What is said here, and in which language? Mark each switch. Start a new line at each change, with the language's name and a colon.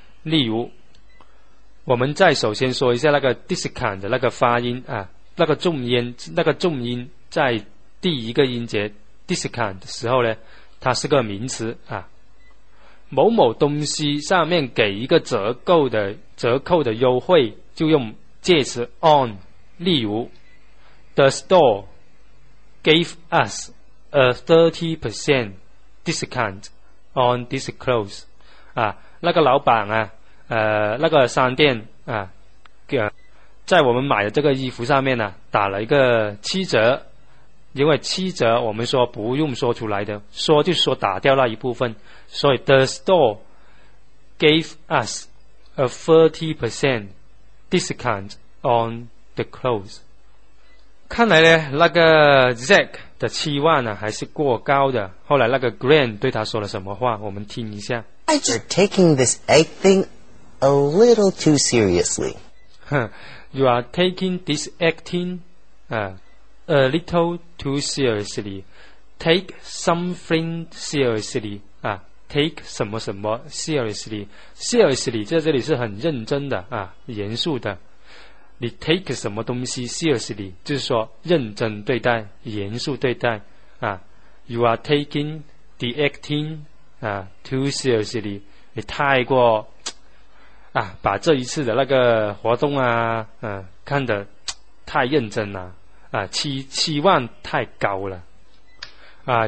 Chinese: 例如，我们再首先说一下那个 discount 的那个发音啊，那个重音，那个重音在第一个音节 discount 的时候呢，它是个名词啊。某某东西上面给一个折扣的优惠，就用介词 on。例如
English: ，the store gave us a 30%。 Discount on this clothes，
Chinese: 啊，那个老板啊，那个商店啊，在我们买的这个衣服上面呢、啊，打了一个70%，因为70%我们说不用说出来的，说就是说打掉那一部分，所以
English: the store gave us a 30% discount on the clothes。
Chinese: 看来呢，那个 Zack 的期望呢还是过高的。后来那个 Grant 对他说了什么话？我们听一下。
English: I just taking this egg thing a little too seriously. You are taking this egg thing a little too seriously. Take something seriously. Take
Chinese: 什么什么
English: seriously. Seriously
Chinese: 在这里是很认真的啊，严肃的。你 take 什么东西 seriously， 就是说认真对待，严肃对待啊。
English: You are taking the acting
Chinese: 啊
English: too seriously，
Chinese: 你太过啊，把这一次的那个活动啊，看得太认真了啊，期望太高了啊。